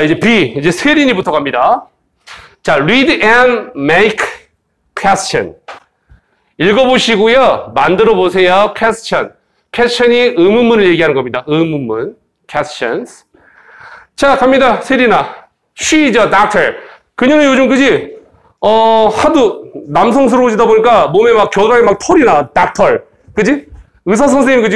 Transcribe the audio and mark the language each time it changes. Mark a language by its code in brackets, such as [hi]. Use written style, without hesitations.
[ko] 이제 B, 이제 세린이부터 갑니다. [en] 자, read and make question. [ko] 읽어보시고요. 만들어보세요. question. question이 의문문을 얘기하는 겁니다. [en] 의문문. questions. [ko] 자, 갑니다. [en] 세리나. She is a doctor. [ko] 그녀는 요즘, 그지? 하도 남성스러워지다 보니까 몸에 막 겨드랑이 막 털이 나. doctor. 그지? 의사선생님, 그지?